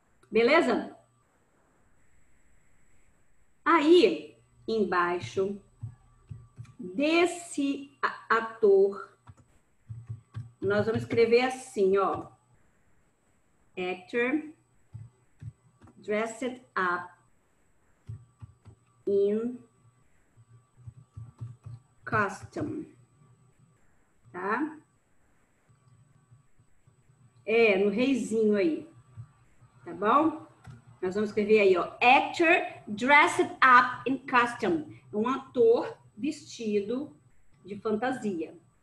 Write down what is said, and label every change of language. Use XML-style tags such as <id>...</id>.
<pt>Beleza? Aí, embaixo desse ator, nós vamos escrever assim, ó.</pt> <en>Actor dressed up in costume.</en> <pt>Tá? É, no reizinho aí. Tá bom? Nós vamos escrever aí, ó.</pt> <en>Actor dressed up in costume.</en> <pt>Um ator vestido de fantasia.</pt>